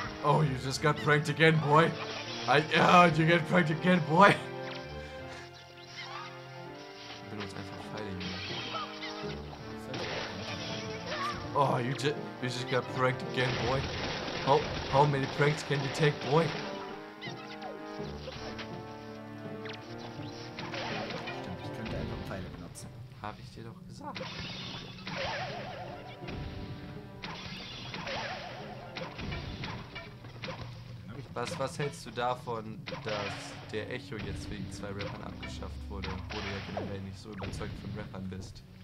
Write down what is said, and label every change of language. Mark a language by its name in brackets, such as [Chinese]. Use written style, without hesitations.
[English] Oh, you just got pranked again, boy. You get pranked again, boy! [German] Ich bin uns einfach Pfeile, Junge. [English] Oh, you just got pranked again, boy. How many pranks can you take, boy? [German] Stimmt, ich könnte einfach Pfeile benutzen. Hab ich dir doch gesagt. Was hältst du davon, dass der Echo jetzt wegen zwei Rappern abgeschafft wurde, wo du ja generell nicht so überzeugt von Rappern bist?